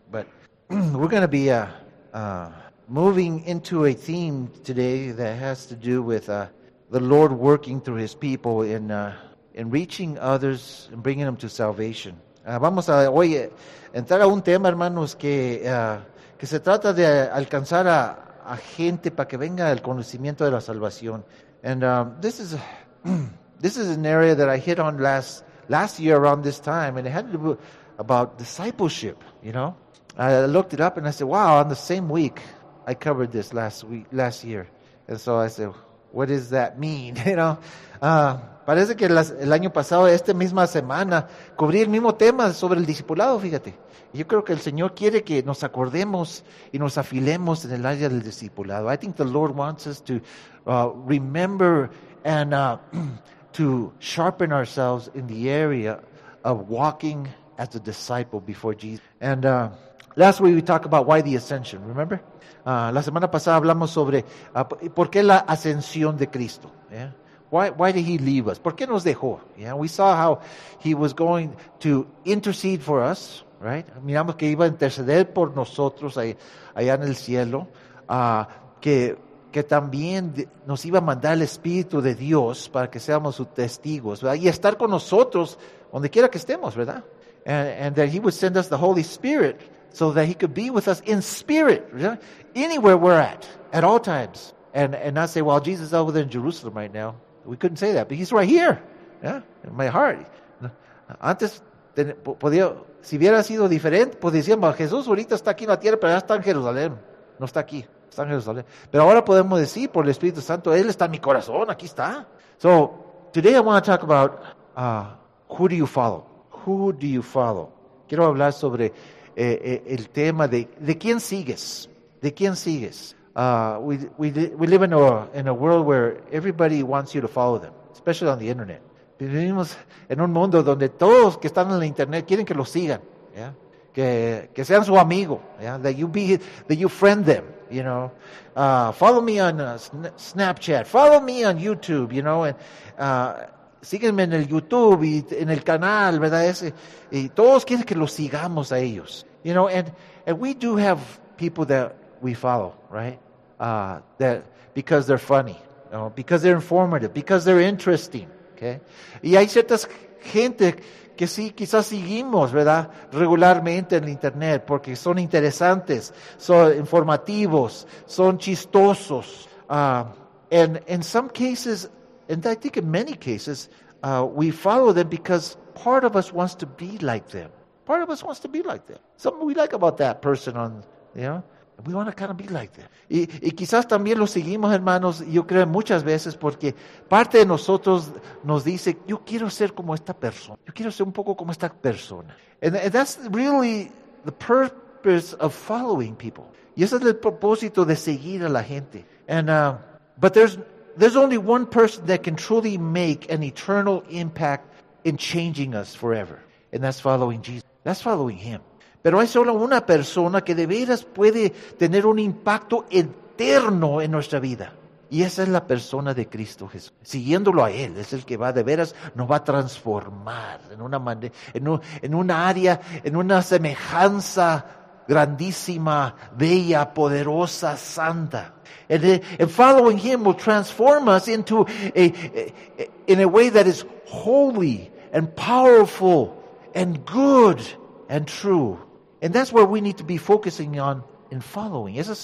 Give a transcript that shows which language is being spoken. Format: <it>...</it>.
<en>But we're going to be moving into a theme today that has to do with the Lord working through His people in reaching others and bringing them to salvation.</en> <es>Vamos a hoy entrar a un tema, hermanos, que se trata de alcanzar a gente para que venga el conocimiento de la salvación.</es> <en>And this is an area that I hit on last year around this time, and it had to do about discipleship. You know, I looked it up and I said, "Wow!" On the same week, I covered this last year, and so I said, "What does that mean?" You know,</en> <es>parece que el año pasado esta misma semana cubrí el mismo tema sobre el discipulado. Fíjate, yo creo que el Señor quiere que nos acordemos y nos afilemos en el área del discipulado.</es> <en>I think the Lord wants us to remember and to sharpen ourselves in the area of walking as a disciple before Jesus. And last week we talked about why the ascension, remember?</en> <es>La semana pasada hablamos sobre por qué la ascensión de Cristo.</es> <en>Yeah? Why did he leave us?</en> <es>¿Por qué nos dejó?</es> <en>Yeah? We saw how he was going to intercede for us, right?</en> <es>Miramos que iba a interceder por nosotros allá en el cielo, que también nos iba a mandar el Espíritu de Dios para que seamos sus testigos, ¿verdad? Y estar con nosotros donde quiera que estemos, ¿verdad?</es> <en>And that he would send us the Holy Spirit so that he could be with us in spirit,</en> <es>¿verdad?</es> <en>Anywhere we're at all times. And not say, well, Jesus is over there in Jerusalem right now. We couldn't say that, but he's right here, yeah, in my heart.</en> <es>Antes, si hubiera sido diferente, pues decíamos, Jesús ahorita está aquí en la tierra, pero ya está en Jerusalén. No está aquí. Está en Jerusalén. Pero ahora podemos decir por el Espíritu Santo, Él está en mi corazón, aquí está.</es> <en>So, today I want to talk about who do you follow? Who do you follow?</en> <es>Quiero hablar sobre el tema de quién sigues. De quién sigues.</es> <en>We live in a world where everybody wants you to follow them, especially on the internet.</en> <es>Vivimos en un mundo donde todos que están en la internet quieren que los sigan.</es> <en>Yeah?</en> <es>Que sean su amigo.</es> <en>Yeah? That you friend them. You know, follow me on Snapchat, follow me on YouTube, you know,</en> <es>sígueme en el YouTube y en el canal, ¿verdad? Y todos quieren que los sigamos a ellos.</es> <en>You know, and we do have people that we follow, right? That because they're funny, you know, because they're informative, because they're interesting, okay?</en> <es>Y hay ciertas gente que sí, quizás seguimos, ¿verdad? Regularmente en el internet, porque son interesantes, son informativos, son chistosos.</es> <en>And in some cases, and I think in many cases, we follow them because part of us wants to be like them. Part of us wants to be like them. Something we like about that person on, you know, we want to kind of be like them.</en> <es>Y quizás también lo seguimos, hermanos, yo creo muchas veces, porque parte de nosotros nos dice, yo quiero ser como esta persona. Yo quiero ser un poco como esta persona.</es> <en>And that's really the purpose of following people.</en> <es>Y ese es el propósito de seguir a la gente.</es> <en>But there's only one person that can truly make an eternal impact in changing us forever. And that's following Jesus. That's following Him.</en> <es>Pero hay solo una persona que de veras puede tener un impacto eterno en nuestra vida. Y esa es la persona de Cristo Jesús. Siguiéndolo a Él, es el que va de veras, nos va a transformar en una manera, en una área, en una semejanza grandísima, bella, poderosa, santa.</es> <en>And following Him will transform us into in a way that is holy and powerful and good and true. And that's where we need to be focusing on in following.</en>